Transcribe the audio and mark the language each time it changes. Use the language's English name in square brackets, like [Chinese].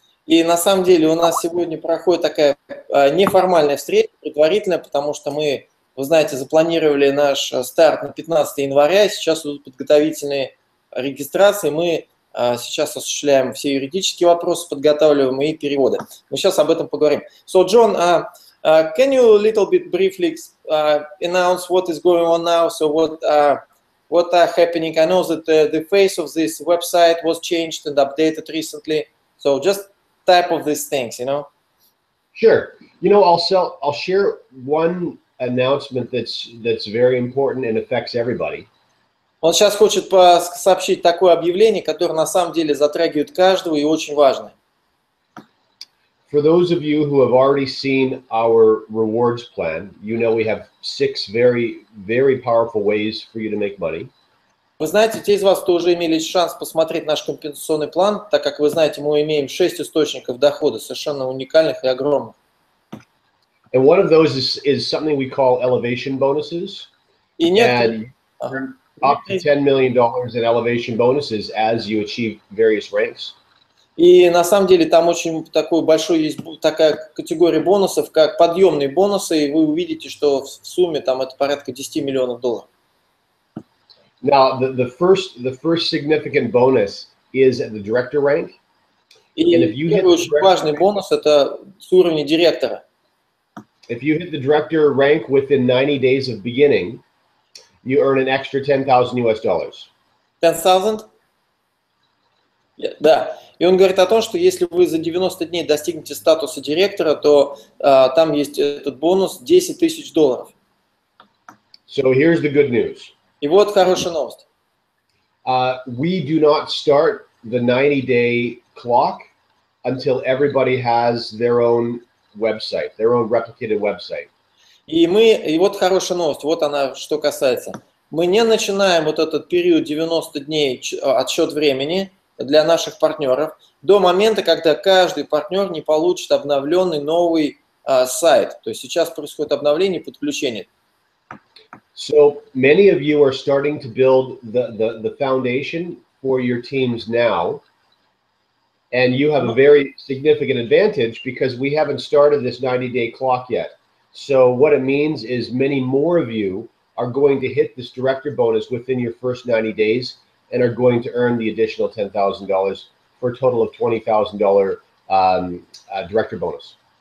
[Russian] И на самом деле у нас сегодня проходит такая неформальная встреча, предварительная, потому что мы, вы знаете, запланировали наш старт на 15 января, сейчас идут подготовительные регистрации, мы сейчас осуществляем все юридические вопросы, подготавливаем и переводы. Мы сейчас об этом поговорим. [English] So, John, can you a little bit briefly announce what is going on now? So, what are happening? I know that the face of this website was changed and updated recently. So, just type of these things, you know? Sure. You know, I'll share one announcement that's very important and affects everybody. [Russian] Он сейчас хочет сообщить такое объявление, которое на самом деле затрагивает каждого и очень важное. [English] For those of you who have already seen our rewards plan, you know we have six very, very powerful ways for you to make money. [Russian] Вы знаете, те из вас, кто уже имели шанс посмотреть наш компенсационный план, так как вы знаете, мы имеем шесть источников дохода, совершенно уникальных и огромных. [English] And one of those is something we call elevation bonuses. [Russian] И нет, [English] and up to $10 million in elevation bonuses as you achieve various ranks. [Russian] И на самом деле там очень такой большой есть такая категория бонусов, как подъемные бонусы, и вы увидите, что в сумме там это порядка 10 миллионов долларов. [English] Now, the first significant bonus is at the director rank. And if you hit the director rank, [Russian] бонус, это с уровня директора. [English] If you hit the director rank within 90 days of beginning, you earn an extra $10,000. Yeah, да. [Russian] И он говорит о том, что если вы за 90 дней достигнете статуса директора, то там есть этот бонус 10 тысяч долларов. [English] So here's the good news. [Russian] И вот хорошая новость. [English] We do not start the 90-day clock until everybody has their own website, their own replicated website. [Russian] И вот хорошая новость, вот она, что касается. Мы не начинаем вот этот период 90 дней отсчет времени для наших партнеров до момента, когда каждый партнер не получит обновленный новый сайт. То есть сейчас происходит обновление и подключение. [English] So many of you are starting to build the foundation for your teams now, and you have a very significant advantage because we haven't started this 90-day clock yet. So what it means is many more of you are going to hit this director bonus within your first 90 days and are going to earn the additional $10,000 for a total of $20,000 director bonus.